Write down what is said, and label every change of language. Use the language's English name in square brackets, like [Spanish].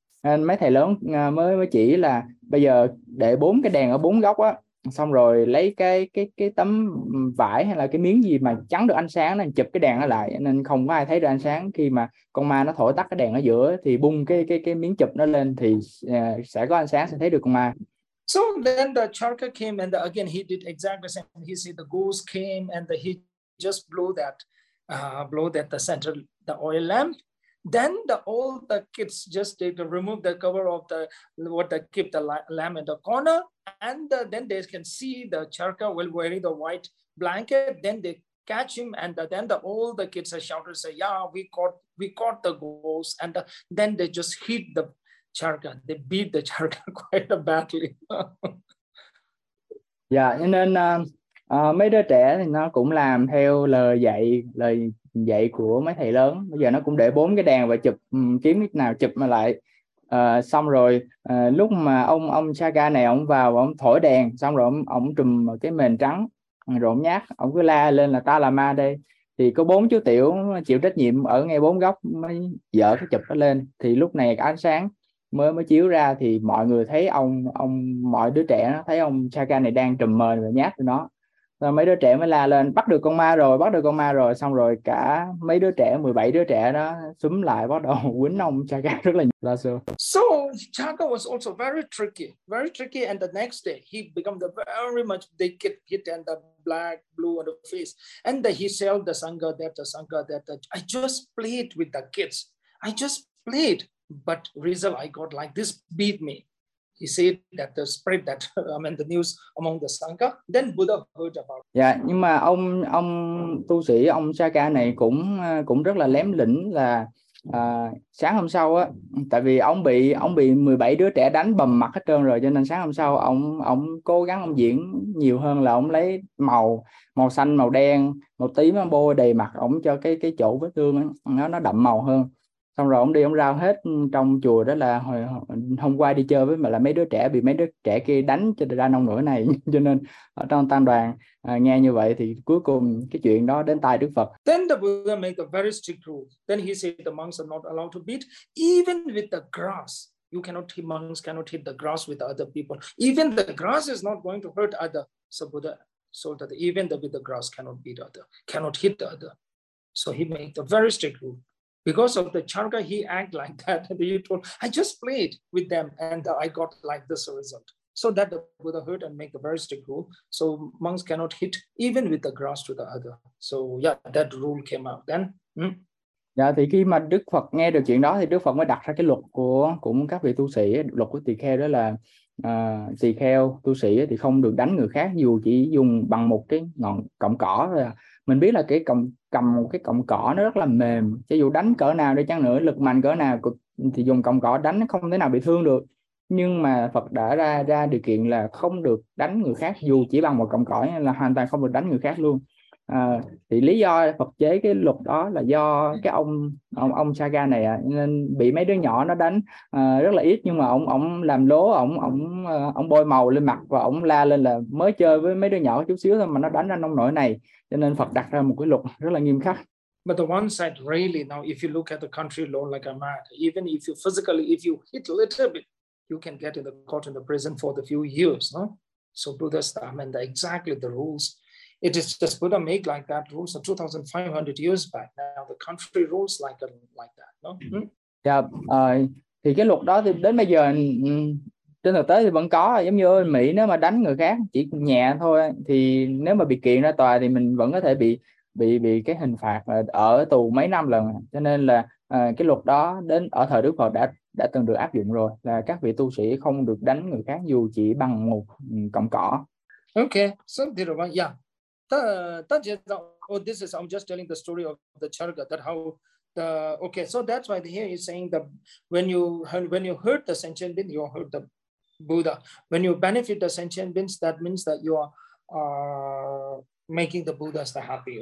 [Vietnamese] Nên mấy thầy lớn mới chỉ là bây giờ để bốn cái đèn ở bốn góc á, xong rồi lấy cái tấm vải hay là cái miếng gì mà chắn được ánh sáng nên chụp cái đèn ở lại, nên không có ai thấy được ánh sáng. Khi mà con ma nó thổi tắt cái đèn ở giữa thì bung cái miếng chụp nó lên thì sẽ có ánh sáng, sẽ thấy được con ma. [English] So then the Charka came and again he did exactly the same. He said the ghost came and he just blew that the center the oil lamp. Then all the kids just take the remove the cover of the what they keep the lamp in the corner, and then they can see the Charka will wearing the white blanket. Then they catch him, and all the kids are shouted, say, "Yeah, we caught the ghost." And then they just hit the Charka. They beat the Charka quite badly. Yeah, and then [Vietnamese] mấy đứa trẻ thì nó cũng làm theo lời dạy của mấy thầy lớn. Bây giờ nó cũng để bốn cái đèn và chụp kiếm cái nào chụp mà lại. Xong rồi lúc mà ông Chaka này ông vào và ông thổi đèn, xong rồi ông trùm cái mền trắng rồi ông nhát, ông cứ la lên là ta là ma đây. Thì có bốn chú tiểu chịu trách nhiệm ở ngay bốn góc mới dở cái chụp đó lên. Thì lúc này cái ánh sáng mới chiếu ra thì mọi người thấy ông mọi đứa trẻ nó thấy ông Chaka này đang trùm mền và nhát nó. Mấy đứa trẻ mới la lên, bắt được con ma rồi. Xong rồi cả mấy đứa trẻ, 17 đứa trẻ đó súm lại bắt đầu quýnh ông Chaka rất là nhiều. [English] So Chaka was also very tricky. And the next day, he became the very much wicked kid and the black, blue on the face. And the, he said the Sangha that, I just played with the kids. I just played, but result I got like this beat me. He said that the spread that the news among the Sangha, then Buddha heard about it. [Vietnamese] Yeah, nhưng mà ông tu sĩ ông Chaka này cũng rất là lém lĩnh là sáng hôm sau á, tại vì ông bị 17 đứa trẻ đánh bầm mặt hết trơn rồi, cho nên sáng hôm sau ông cố gắng ông diễn nhiều hơn là ông lấy màu xanh, màu đen, màu tím, ông bôi đầy mặt ông cho cái chỗ vết thương nó đậm màu hơn. Xong rồi ông đi ông rao hết trong chùa đó là hôm qua đi chơi với mà là mấy đứa trẻ bị mấy đứa trẻ kia đánh cho ra nông nỗi này. Cho nên ở trong tăng đoàn nghe như vậy thì cuối cùng cái chuyện đó đến tai Đức Phật. [English] Then the Buddha made a very strict rule. Then he said the monks are not allowed to beat even with the grass. You cannot hit, monks cannot hit the grass with other people. Even the grass is not going to hurt other. So Buddha said that even with the grass cannot beat other, cannot hit the other. So he made a very strict rule. Because of the Charka, he act like that. He told, I just played with them and I got like this result. So that the Buddha heard and make a very strict rule. So monks cannot hit even with the grass to the other. So yeah, that rule came out then. [Vietnamese] Dạ, thì khi mà Đức Phật nghe được chuyện đó thì Đức Phật mới đặt ra cái luật của các vị tu sĩ, luật của tỳ kheo đó là tỳ kheo, tu sĩ thì không được đánh người khác dù chỉ dùng bằng một cái ngọn cọng cỏ thôi à. Mình biết là cái cầm một cái cọng cỏ nó rất là mềm, cho dù đánh cỡ nào đi chăng nữa, lực mạnh cỡ nào thì dùng cọng cỏ đánh không thể nào bị thương được. Nhưng mà Phật đã ra điều kiện là không được đánh người khác dù chỉ bằng một cọng cỏ, là hoàn toàn không được đánh người khác luôn. Thì lý do Phật chế cái luật đó là do cái ông Chaka này nên bị mấy đứa nhỏ nó đánh rất là ít, nhưng mà ông làm lố, ông bôi màu lên mặt và ông la lên là mới chơi với mấy đứa nhỏ chút xíu thôi mà nó đánh ra nông nổi này, cho nên Phật đặt ra một cái luật rất là nghiêm khắc. [English] But the one side really, now if you look at the country alone like I'm at, even if you physically, if you hit a little bit, you can get in the court in the prison for the few years. No? So Buddha's Dharma and exactly the rules. It is just Buddha make like that rules of 2,500 years back. Now the country rules like that. No? Mm-hmm. Yeah. [Vietnamese] Thì cái luật đó thì đến bây giờ trên thực tế thì vẫn có, giống như ở Mỹ nếu mà đánh người khác chỉ nhẹ thôi thì nếu mà bị kiện ra tòa thì mình vẫn có thể bị cái hình phạt ở tù mấy năm lần. Cho nên là cái luật đó đến ở thời Đức Phật đã từng được áp dụng rồi, là các vị tu sĩ không được đánh người khác dù chỉ bằng một cọng cỏ. [English] Okay, so there was, yeah. This is, I'm just telling the story of the Charga, that how the, okay, so that's why here he's saying that when you hurt the sentient being, you hurt the Buddha. When you benefit the sentient beings, that means that you are making the Buddhas the happy.